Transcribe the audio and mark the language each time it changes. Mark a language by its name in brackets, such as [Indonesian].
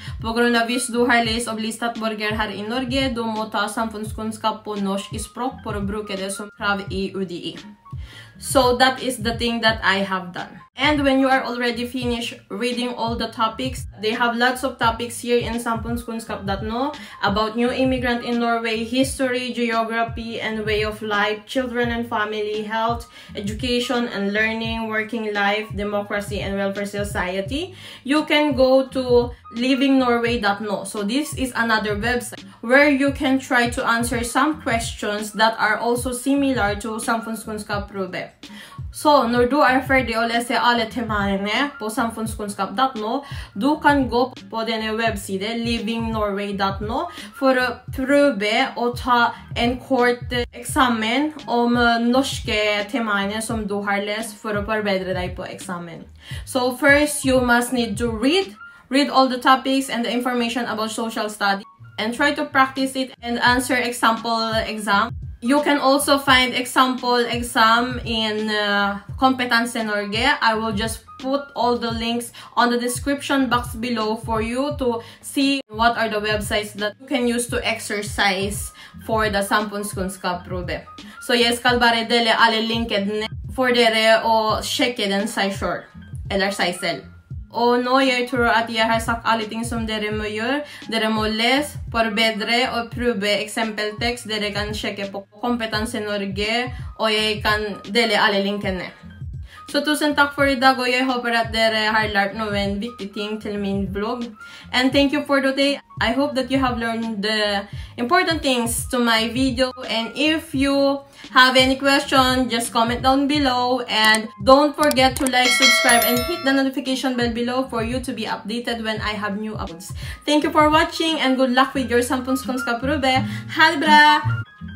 [Norwegian] På grunn av hvis du har lest og blir statsborger her i Norge, du må ta samfunnskunnskap på norsk i språk for å bruke det som krav i UDI. [English] So that is the thing that I have done. And when you are already finished reading all the topics, they have lots of topics here in Sampunskunnskap.no about new immigrant in Norway, history, geography, and way of life, children and family, health, education and learning, working life, democracy and welfare society. You can go to livingnorway.no. So this is another website where you can try to answer some questions that are also similar to Sampunskunnskap-prøve. [Norwegian] So, når du ferdig å lese alle temaene på samfunnskunnskap.no, du kan gå på denne websiden livingnorway.no for å prøve å ta en kort eksamen om norske temaene som du har lest for å forbedre deg på eksamen. [English] So, first you must need to read all the topics and the information about social studies and try to practice it and answer example exam. You can also find example exam in Kompetanse Norge. I will just put all the links on the description box below for you to see what are the websites that you can use to exercise for the Sampunskunnskap-prøve. [Norwegian] So jeg skal bare dele alle linkene for dere å sjekke den seg selv, eller seg selv. Og nå jeg tror at jeg har sagt alle ting som dere må gjøre. Dere må lese, forbedre og prøve eksempeltekst. Dere kan sjekke på Kompetanse Norge, og jeg kan dele alle linkene. Så tusen takk for i dag, og jeg håper at dere har lært noen viktige ting til min blogg. [English] And thank you for today. I hope that you have learned the important things to my video. And if you have any question, just comment down below. And don't forget to like, subscribe, and hit the notification bell below for you to be updated when I have new uploads. Thank you for watching, and good luck with your Sampunskunnskap-prøve. [Norwegian] Ha det bra!